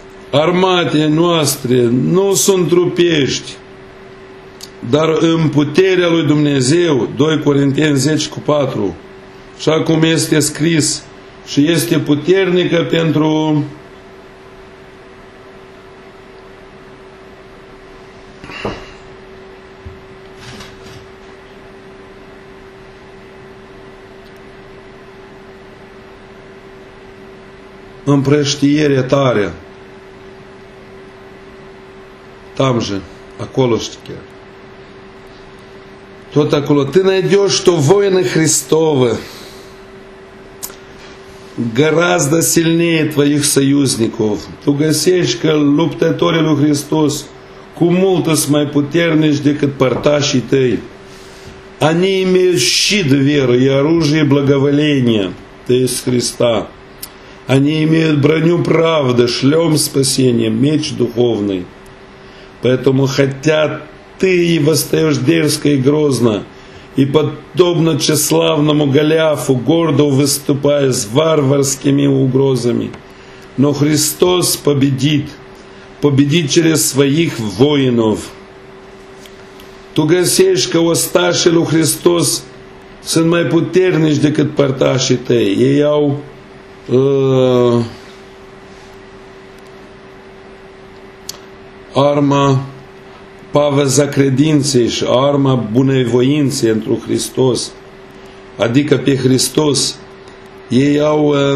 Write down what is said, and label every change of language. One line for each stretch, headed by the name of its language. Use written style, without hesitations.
Romanian: armate noastre nu sunt trupești, dar în puterea lui Dumnezeu, 2 Corinteni 10:4, așa cum este scris, și este puternică pentru împrăștiere tare.
Russian: Там же,
Romanian: acolo și chiar. Tot acolo.
Russian: Ты найдешь, что воины Христовы гораздо сильнее твоих союзников.
Romanian: Ту găsești că luptătorii lui Hristos cu multă sunt mai puternici decât părtașii tăi.
Russian: Они имеют щит веры и оружие благоволения, то есть Христа. Они имеют броню правды, шлем спасения, меч духовный. Поэтому хотя ты и восстаешь дерзко и грозно, и подобно тщеславному Голиафу, гордо выступая с варварскими угрозами. Но Христос победит, победит через своих воинов.
Romanian: Ту găsești că ostașii lui Hristos sunt mai puternici decât părtașii tăi. Ei au arma paveza credinței și arma bunei voințe întru Hristos, adică pe Hristos, ei au